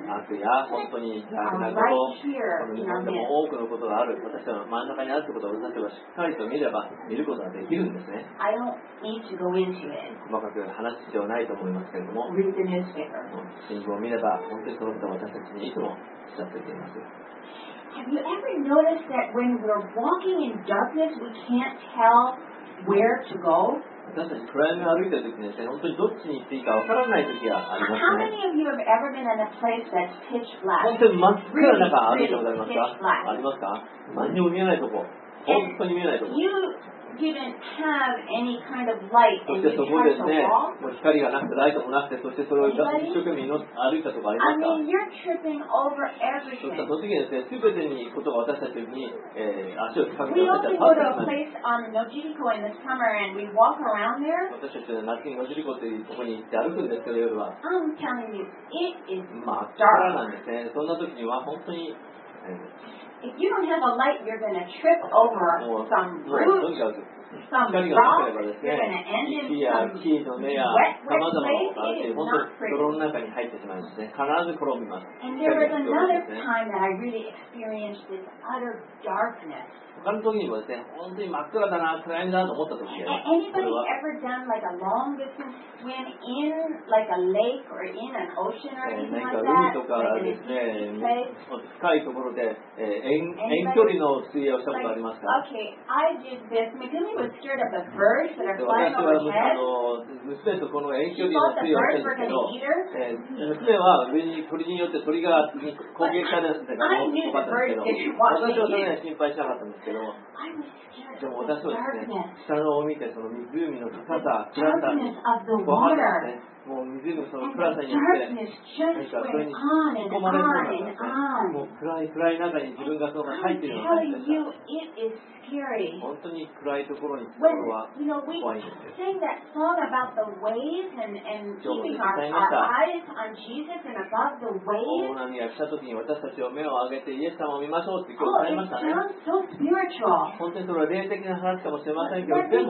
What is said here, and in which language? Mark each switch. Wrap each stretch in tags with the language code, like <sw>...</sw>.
<ja>悪や本当に残念なこと、でも多くのことがある、私たちの真ん中にあるということを私たちはしっかりと見れば見ることができるんですね。</ja> <en>I don't need to go into it.</en> <ja>細かく話す必要ないと思いますけれども、</ja> <en>Read the newspaper.</en> <ja>新聞を見れば本当にそのことを私たちにいつも知らせています。</ja> <en>Have you ever noticed that when we're walking in darkness, we can't tell where to go?</en> <ja>私たち暗闇を歩いているときに、ね、本当にどっちに行っていいかわからないときがありますね。</ja> <en>How many of you have ever been in a place that's pitch black?</en> <ja>本当に真っ暗な中歩いてございますか？ありますか？何にも見えないとこ。本当に見えないとこ。そしてそこでですね、もう光がなくてライトもなくて、そしてそれを一生懸命歩いたとこありますか？</ja> <en>I mean, you're tripping over everything.</en> <ja>そしたらその時にですね、すべてにことが私たちに、足を掴みかけたり、パッと掴み。私たちは夏にノジリコというところに行って歩くんですけど、夜は。</ja> <en>I'm telling you, it is dark.</en> <ja>なんですね。そんな時には本当に、</ja> <en>If you don't have a light, you're going to trip over some roots, some rocks, you're going to end in some wet place. It's not pretty. And there was another time that I really experienced this utter darkness.</en> <ja>他の時にもですね、本当に真っ暗だな、暗闇だなと思った時は、</ja> <en>Anybody ever done like a long distance swim in like a lake or in an ocean or anything like that?</en> <ja>海とかですね、深いところで、遠距離の水泳をしたことありますか？</ja> <en>Like, okay, I did this. Megumi was scared of the birds that are flying overhead.</en> <ja>私は娘とこの遠距離の水泳をしたんですけど、娘は上に鳥によって鳥が攻撃されたんですけど、私はそれが心配したかったんです。でも私はですね、下のを見てその湖の高さ、暗さ、怖かったですね。もう湖のその暗さに行って、何かそれに引き込まれるものがあって、もう暗い暗い中に自分がそんな入っているのがあって、本当に暗いところに行くのは怖いんですよ。</ja> <en>Sing that song about the waves and keeping our eyes on Jesus and above the waves.</en> <ja>大波が来た時に私たちを目を上げてイエス様を見ましょうって今日歌いましたね。</ja> <en>Oh, it sounds so spiritual.</en> <ja>本当にそれは霊的な話かもしれませんけど、でも、</ja>